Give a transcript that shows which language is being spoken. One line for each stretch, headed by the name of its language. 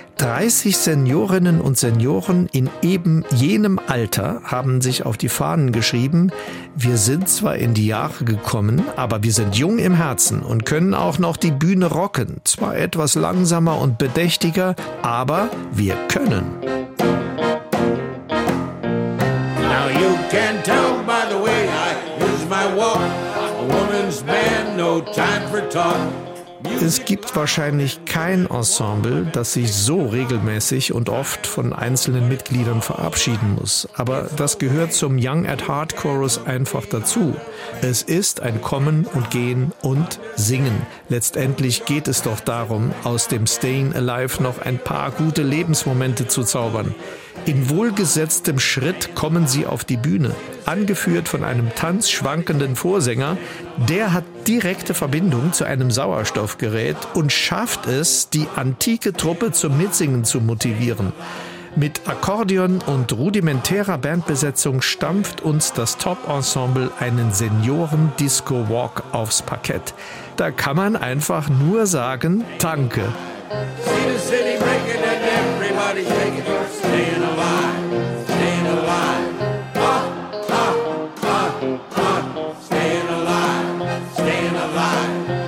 German: 30 Seniorinnen und Senioren in eben jenem Alter haben sich auf die Fahnen geschrieben: Wir sind zwar in die Jahre gekommen, aber wir sind jung im Herzen und können auch noch die Bühne rocken. Zwar etwas langsamer und bedächtiger, aber wir können.
English: Now you can tell by the way I use my walk. A woman's man, no time for talk.
German: Es gibt wahrscheinlich kein Ensemble, das sich so regelmäßig und oft von einzelnen Mitgliedern verabschieden muss. Aber das gehört zum Young at Heart Chorus einfach dazu. Es ist ein Kommen und Gehen und Singen. Letztendlich geht es doch darum, aus dem Staying Alive noch ein paar gute Lebensmomente zu zaubern. In wohlgesetztem Schritt kommen sie auf die Bühne, angeführt von einem tanzschwankenden Vorsänger. Der hat direkte Verbindung zu einem Sauerstoffgerät und schafft es, die antike Truppe zum Mitsingen zu motivieren. Mit Akkordeon und rudimentärer Bandbesetzung stampft uns das Top-Ensemble einen Senioren-Disco-Walk aufs Parkett. Da kann man einfach nur sagen, danke.
English: See the city breaking and everybody shaking. Staying alive, staying alive. Ah, ah, ah, ah. Staying alive, staying alive.